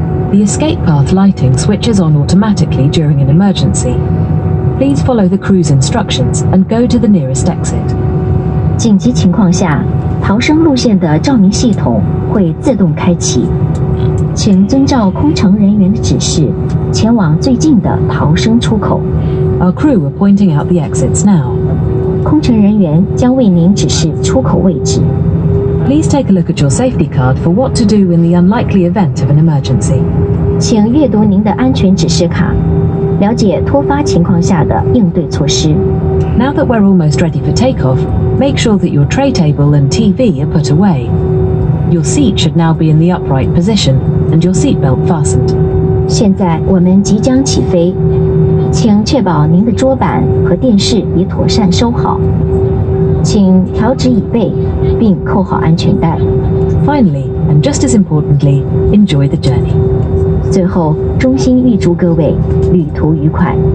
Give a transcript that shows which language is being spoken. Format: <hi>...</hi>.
<en>The escape path lighting switches on automatically during an emergency. Please follow the crew's instructions and go to the nearest exit.</en> <zh>紧急情况下，逃生路线的照明系统会自动开启。请遵照空乘人员的指示，前往最近的逃生出口。</zh> <en>Our crew are pointing out the exits now.</en> <zh>空乘人员将为您指示出口位置。</zh> <en>Please take a look at your safety card for what to do in the unlikely event of an emergency.</en> <zh>请阅读您的安全指示卡，了解突发情况下的应对措施。</zh> <en>Now that we're almost ready for takeoff, make sure that your tray table and TV are put away. Your seat should now be in the upright position and your seat belt fastened.</en> <zh>现在我们即将起飞，请确保您的桌板和电视已妥善收好。请调直椅背并扣好安全带。</zh> <en>Finally, and just as importantly, enjoy the journey.</en> <zh>最后，衷心预祝各位旅途愉快。</zh>